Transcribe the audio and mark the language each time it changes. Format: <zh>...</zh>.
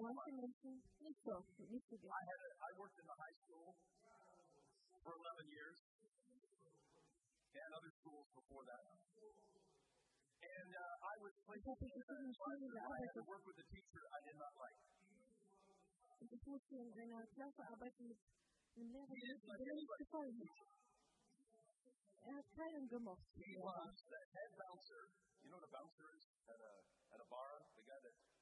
<de>manche Menschen nicht so, nicht so gerne.</de> <en>I worked in the high school for 11 years and other schools before that. And I was placed in the classroom and I had to work with a teacher I did not like.</en> <de>Ich musste in einer Klasse arbeiten mit einem Lehrer, der mir nicht gefallen hat. Er hat keinen gemocht.</de> <en>He was the head bouncer. You know what a bouncer is at a bar? The guy that...</en>